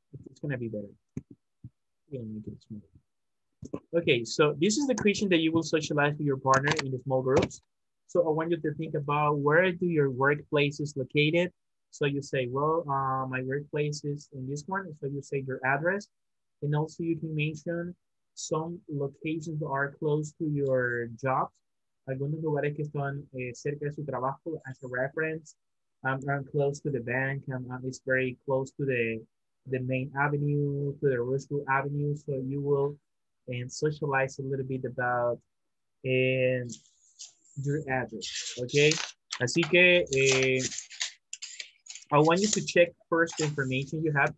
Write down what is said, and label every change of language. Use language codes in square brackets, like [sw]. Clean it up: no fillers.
[en] It's gonna be better. Okay, so this is the question that you will socialize with your partner in the small groups. So I want you to think about where do your workplaces located? So you say, well, my workplace is in this one. So you say your address. And also you can mention some locations that are close to your job. [es] Algunos lugares que están cerca de su trabajo [en] as a reference. I'm close to the bank, it's very close to the main avenue, to the Roosevelt Avenue, so you will socialize a little bit about your address, okay? [es] Así que, [en] I want you to check first the information you have.